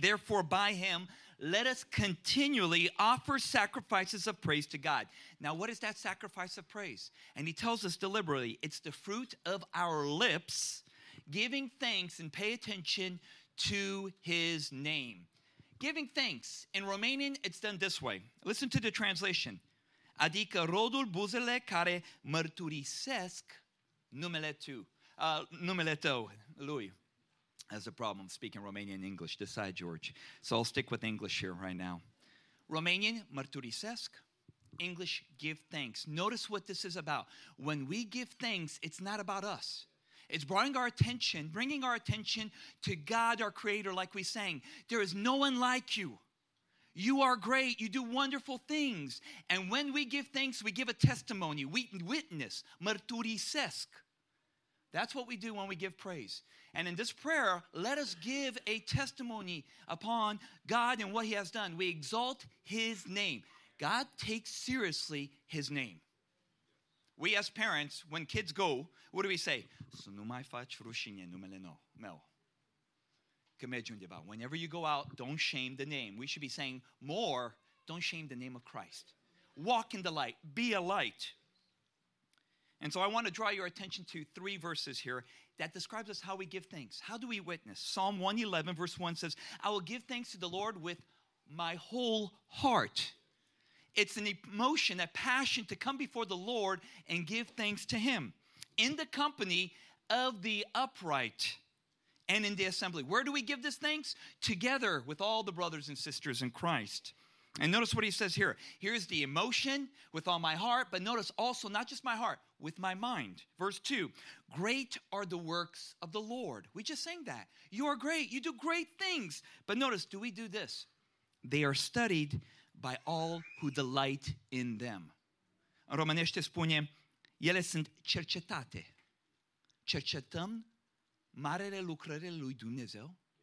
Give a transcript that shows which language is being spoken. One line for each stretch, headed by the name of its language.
English: Therefore, by him, let us continually offer sacrifices of praise to God. Now, what is that sacrifice of praise? And he tells us deliberately, it's the fruit of our lips, giving thanks and pay attention to his name. Giving thanks. In Romanian, it's done this way. Listen to the translation.
Romanian: Adică rodul buzele care mărturisesc numele tu. Numele tău, lui.
English: That's a problem speaking Romanian English. Decide, George. So I'll stick with English here right now. Romanian, mărturisesc. English, give thanks. Notice what this is about. When we give thanks, it's not about us. It's bringing our attention to God, our creator, like we sang. There is no one like you. You are great. You do wonderful things. And when we give thanks, we give a testimony. We witness, mărturisesc. That's what we do when we give praise. And in this prayer, let us give a testimony upon God and what he has done. We exalt his name. God takes seriously his name. We as parents, when kids go, what do we say?
Romanian: Să nu mai faci rușine numele meu. Că mergi undeva.
English: Whenever you go out, don't shame the name. We should be saying more, don't shame the name of Christ. Walk in the light. Be a light. And so I want to draw your attention to three verses here that describes us how we give thanks. How do we witness? Psalm 111, verse 1 says, I will give thanks to the Lord with my whole heart. It's an emotion, a passion to come before the Lord and give thanks to him. In the company of the upright and in the assembly. Where do we give this thanks? Together with all the brothers and sisters in Christ. And notice what he says here. Here's the emotion with all my heart, but notice also not just my heart, with my mind. Verse 2, great are the works of the Lord. We just sang that. You are great. You do great things. But notice, do we do this? They are studied by all who delight in them.
Romanian: În românește spune, ele sunt cercetate. Cercetăm marele lucrări lui Dumnezeu.